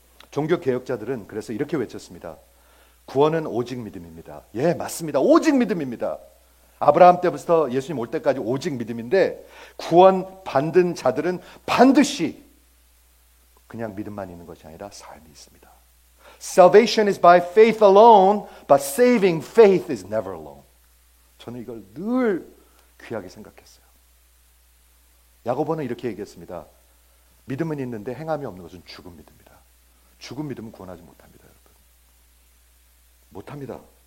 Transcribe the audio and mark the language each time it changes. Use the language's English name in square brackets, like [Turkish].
[Korean] 종교개혁자들은 그래서 이렇게 외쳤습니다. 구원은 오직 믿음입니다. 예, 맞습니다. 오직 믿음입니다. 아브라함 때부터 예수님 올 때까지 오직 믿음인데 구원 받은 자들은 반드시 그냥 믿음만 있는 것이 아니라 삶이 있습니다. [English] Salvation is by faith alone, but saving faith is never alone. [Korean] 저는 이걸 늘 귀하게 생각했어요. 야고보는 이렇게 얘기했습니다. 믿음은 있는데 행함이 없는 것은 죽은 믿음이다. 죽은 믿음은 구원하지 못합니다. 못합니다.